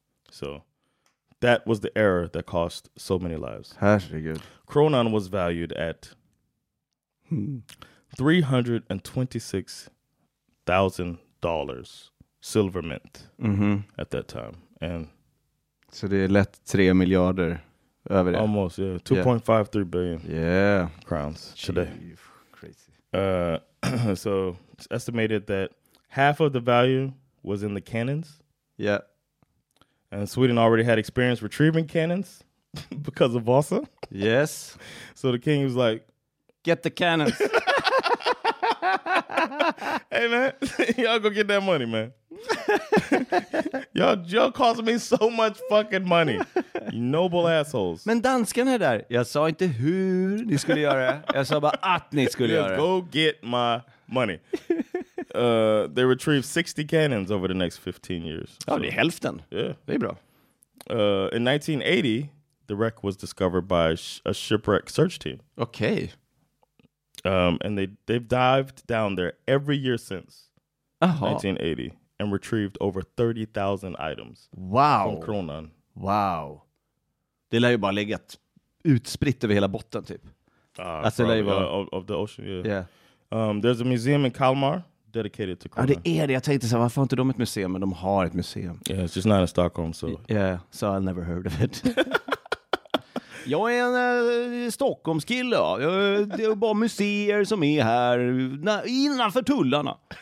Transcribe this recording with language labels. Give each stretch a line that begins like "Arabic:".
English: So that was the error that cost so many lives. That's pretty good. Kronan was valued at 326,000 dollars silver mint at that time. And
Swedish: so det är lätt 3 miljarder över det.
English: Almost, yeah. 2.53 billion. Yeah. Crowns today. Jeez, crazy. So it's estimated that half of the value was in the cannons. Yeah. And Sweden already had experience retrieving cannons because of Vasa. Yes. So the king was like, get the cannons. Hey, man, y'all go get that money, man. y'all cost me so much fucking money. You noble assholes.
Swedish: Men danskarna är där. Jag sa inte hur ni skulle göra. Jag sa bara att ni skulle göra.
English: Go get my money. They retrieved 60 cannons over the next 15 years.
Swedish: Oh, so, det är hälften.
English: Yeah.
Swedish: Det är bra.
English: In 1980, the wreck was discovered by a shipwreck search team. Okay. And they've dived down there every year since 1980 and retrieved over 30,000 items. Wow. From Kronan. Wow.
Swedish: Det lär ju bara legat utspritt över hela botten typ.
English: Of the ocean, yeah. Yeah. There's a museum in Kalmar dedicated to Kronan.
Swedish: Ja, det är det. Jag tänkte så här, varför har inte de ett museum? Men de har ett museum.
English: Yeah, it's just not in Stockholm, so. Yeah, so I never heard of it.
Swedish: Jag är en Stockholmskille, ja. Det är bara museer som är här innanför tullarna.